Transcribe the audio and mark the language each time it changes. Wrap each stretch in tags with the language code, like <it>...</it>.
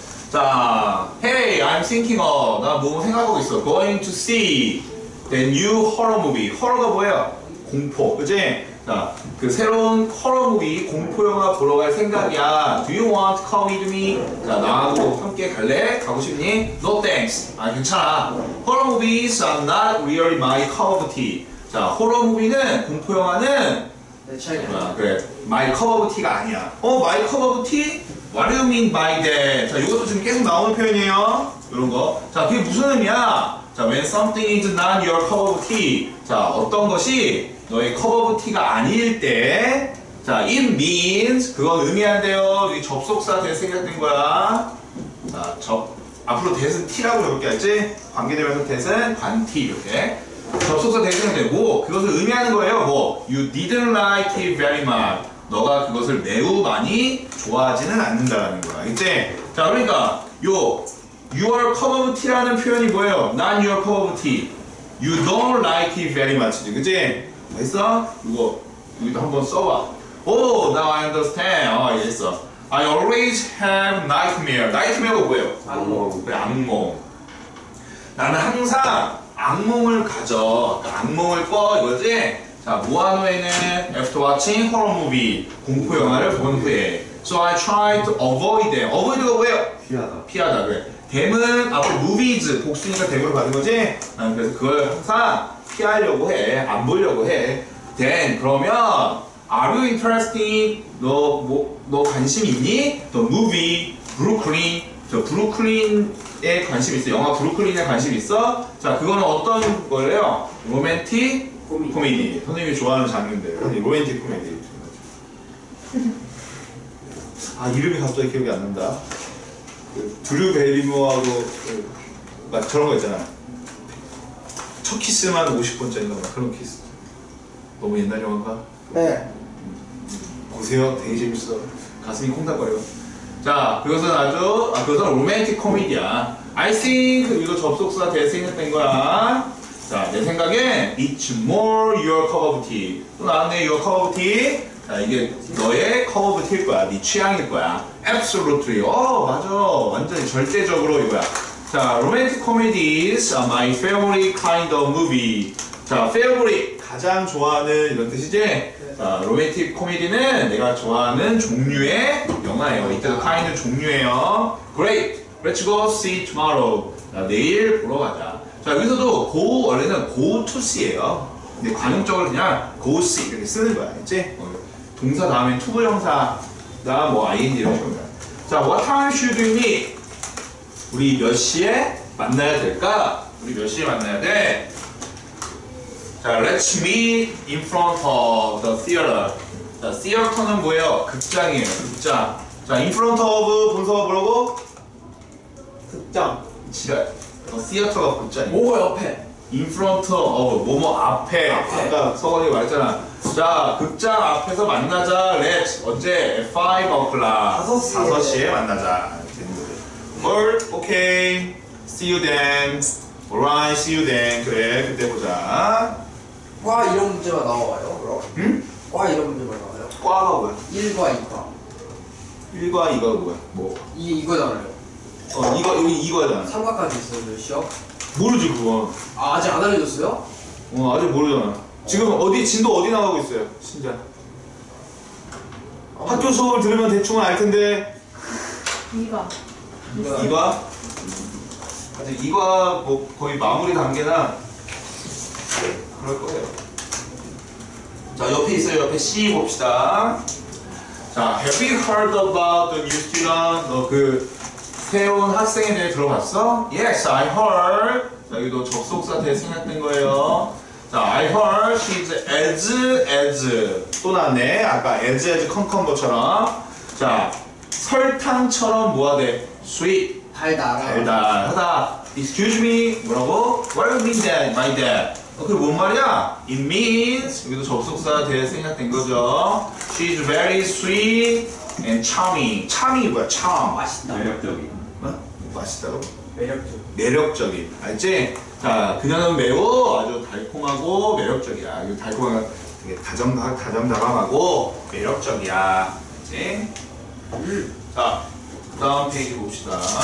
<ko>자,</ko> <en>Hey, I'm thinking of.</en> <ko>나 뭐 생각하고 있어.</ko> <en>Going to see the new horror movie.</en> <ko>Horror가 뭐예요? 공포, 그치? 자, 그 새로운 horror movie, 공포 영화 보러 갈 생각이야.</ko> <en>Do you want to come with me?</en> <ko>자, 나하고 함께 갈래? 가고 싶니?</ko> <en>No thanks.</en> <ko>아, 괜찮아.</ko> <en>Horror movies are not really my cup of tea.</en> <ko>자, horror movie는, 공포 영화는 네, 아, 그래. My cup of tea가 아니야.</ko> <en>어, my cup of tea? What do you mean by that?</en> <ko>자, 이것도 지금 계속 나오는 표현이에요. 이런 거. 자, 그게 무슨 의미야?</ko> <en>자, when something is not your cup of tea.</en> <ko>자, 어떤 것이 너의 cup of tea가 아닐 때. 자,</ko> <en>it means.</en> <ko>그건 의미한대요. 이 접속사 대 생각된 거야. 자, 접. 앞으로 대는 T라고 이렇게 할지? 관계되면서 대는 관티 이렇게. 접속사 대신 되고 그것을 의미하는 거예요.</ko> <en>뭐 you didn't like it very much.</en> <ko>너가 그것을 매우 많이 좋아하지는 않는다라는 거야. 이제 자 그러니까 요 your cup of tea라는 표현이 뭐예요?</ko> <en>Not your cup of tea. You don't like it very much.</en> <ko>그지? 됐어? 이거 여기도 한번 써봐.</ko> <en>Oh, now I understand.</en> <ko>어, 이해했어.</ko> <en>I always have nightmare.</en> <ko>Nightmare가 뭐예요? 악몽. 그래, 악몽. 나는 항상 악몽을 가져. 악몽을 꿔. 이거지?</ko> <en>자, 무한호에는 after watching horror movie.</en> <ko>공포 영화를 본 후에.</ko> <en>So I try to avoid them. Avoid가 뭐예요?</en> <ko>피하다. 피하다. 그래. them은 앞으로 movies. 복수니까 them으로 받은 거지? 난 그래서 그걸 항상 피하려고 해. 안 보려고 해.</ko> <en>Then,</en> <ko>그러면,</ko> <en>are you interesting?</en> <ko>너, 뭐, 너 관심 있니?</ko> <en>The movie, Brooklyn.</en> <ko>저 브루클린에 관심 있어. 영화 브루클린에 관심 있어? 자, 그거는 어떤 거래요? 로맨틱 코미디. 코미디. 선생님이 좋아하는 장르인데. 로맨틱 코미디. 아, 이름이 갑자기 기억이 안 난다. 그 드류 베리모어하고 막 저런 거 있잖아. 첫 키스만 50번째인가 막 그런 키스. 너무 옛날 영화인가? 네. 보세요. 되게 재밌어. 가슴이 콩닥거려. 자, 그것은 아주, 아, 그것은 로맨틱 코미디야.</ko> <en>I think,</en> <ko>이거 접속사 대생했던 거야.</ko> <en>자,</en> <ko>내 생각에,</ko> <en>it's more your cup of tea.</en> <ko>또 나왔네, your cup of tea. 자, 이게 너의 cup of tea일 거야. 네 취향일 거야.</ko> <en>Absolutely.</en> <ko>어, 맞아. 완전히 절대적으로 이거야.</ko> <en>자, romantic comedies are my favorite kind of movie.</en> <ko>자, favorite. 가장 좋아하는 이런 뜻이지? 자, 로맨틱 코미디는 내가 좋아하는 종류의 영화예요. 이때도 카인드 종류예요.</ko> <en>Great! Let's go see tomorrow.</en> <ko>자, 내일 보러 가자. 자, 여기서도 go, 원래는 go to see예요. 근데 관용적으로 그냥 go see 이렇게 쓰는 거야. 알지? 동사 다음에 to 형사나 뭐 ing 이런 겁니다.</ko> <en>자, what time should we meet?</en> <ko>우리 몇 시에 만나야 될까? 우리 몇 시에 만나야 돼?</ko> <en>자, let's meet in front of the theater.</en> <ko>자, theater는 뭐예요? 극장이에요, 극장. 자, in front of 본서가 뭐라고? 극장. 그렇지. theater가 극장이에요. 뭐 옆에? in front of, 뭐뭐 앞에. 앞에. 아까 서건이 말했잖아. 자, 극장 앞에서 만나자. Let's, 언제?</ko> <en>At 5 o'clock.</en> <ko>5시에. 5시에 만나자.</ko> <en>Well, okay. See you then. Alright, see you then.</en> <ko>그래, 그때 보자. 과 이런 문제가 나와요, 그럼? 응? 과 이런 문제가 나와요. 과가 뭐야? 1과 2과. 1과 2과 뭐야? 뭐? 이 이거잖아요. 어, 이거 여기 이거잖아. 삼각관계 있어요, 시험? 모르지 그건. 아, 아직 안 알려줬어요? 어, 아직 모르잖아. 지금 어디 진도 어디 나가고 있어요, 진짜? 아, 학교 수업을 들으면 대충은 알 텐데. 2과. 2과? 아직 2과 뭐 거의 마무리 단계나 그럴 거예요. 자, 옆에 있어요. 옆에 C 봅시다.</ko> <en>자, Have you heard about the new student?</en> <ko>너 그 새로운 학생에 대해 들어봤어?</ko> <en>Yes, I heard.</en> <ko>자, 여기도 접속사 대 생략된 거예요.</ko> <en>자, I heard she's as.</en> <ko>또 났네. 아까 as 컴컴 것처럼. 자, 설탕처럼 뭐하대? Sweet. 달달하다.</ko> <en>Excuse me.</en> <ko>뭐라고?</ko> <en>What do you mean that, my dad?</en> <ko>어, 그게 뭔 말이야?</ko> <en>It means</en> <ko>여기도 접속사 대 생략된 거죠.</ko> <en>She's very sweet and charming.</en> <ko>Charming이 뭐야?</ko> <en>Charm.</en> <ko>맛있다. 매력적인. 어? 맛있다고? 매력적. 매력적인. 알지? 자, 그녀는 매우 아주 달콤하고 매력적이야. 이거 달콤한 되게 다정다감하고 매력적이야. 알지? 자, 다음 페이지 봅시다.</ko>